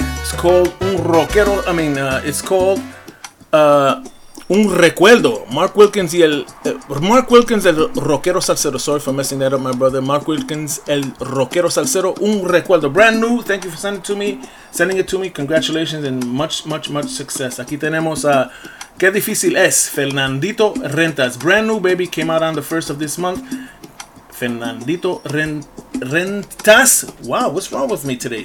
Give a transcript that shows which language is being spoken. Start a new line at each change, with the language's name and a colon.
English: It's called Un Rockero. I mean, it's called Un Recuerdo.
Spanish: Marc Wilkins y el Marc Wilkins el Rockero Salsero.
English: Sorry for messing that up, my brother. Marc Wilkins el Rockero Salsero. Un Recuerdo, brand new. Thank you for sending it to me. Congratulations and much success.
Spanish: Aquí tenemos a Qué Difícil Es, Fernandito Rentas.
English: Brand new, baby, came out on the first of this month. Fernandito Rentas. Wow, what's wrong with me today?